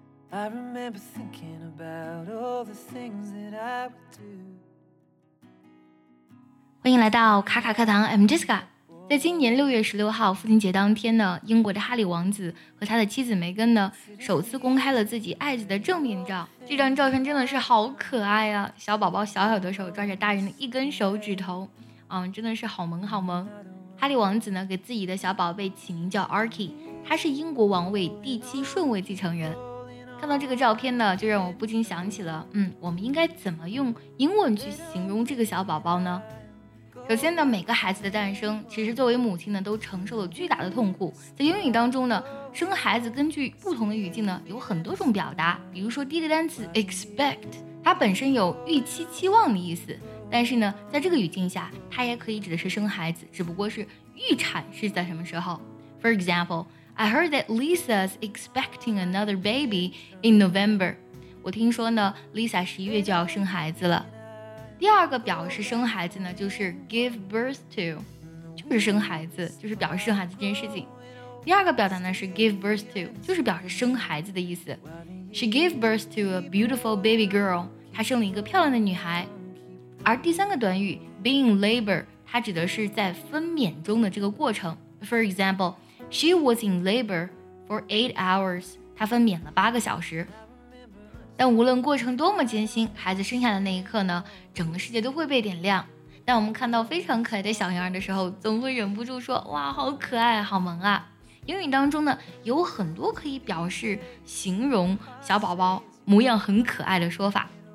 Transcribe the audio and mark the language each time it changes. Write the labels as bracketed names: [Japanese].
[English] I remember thinking about all the things that I would do. [Chinese] 欢迎来到卡卡课堂 [English] I'm Jessica。 [Chinese] 在今年6月16号父亲节当天呢，英国的哈利王子和他的妻子梅根呢首次公开了自己爱子的正面照。这张照片真的是好可爱啊，小宝宝小小的手抓着大人的一根手指头，嗯，真的是好萌好萌。哈利王子呢给自己的小宝贝起名叫 Archie， 他是英国王位第7顺位继承人。看到这个照片呢，就让我不禁想起了，嗯，我们应该怎么用英文去形容这个小宝宝呢？首先呢，每个孩子的诞生其实作为母亲呢都承受了巨大的痛苦。在英语当中呢，生孩子根据不同的语境呢有很多种表达，比如说第一个单词 expect， 它本身有预期期望的意思，但是呢在这个语境下它也可以指的是生孩子，只不过是预产是在什么时候。 [English] For example, I heard that Lisa's expecting another baby in November. [Chinese] 我听说呢 Lisa 11月就要生孩子了。第二个表示生孩子呢就是 give birth to， 就是生孩子，就是表示生孩子这件事情。第二个表达呢是 give birth to， 就是表示生孩子的意思。 [English] She gave birth to a beautiful baby girl， [Chinese] 她生了一个漂亮的女孩。而第三个短语 be in labor， 它指的是在分娩中的这个过程。 [English] For example， She was in labor for 8 hours， [Chinese] 她分娩了8个小时。但无论过程多么艰辛，孩子生下的那一刻呢，整个世界都会被点亮。当我们看到非常可爱的小婴儿的时候，总会忍不住说，哇，好可爱，好萌啊。英语当中呢，有很多可以表示形容小宝宝模样很可爱的说法。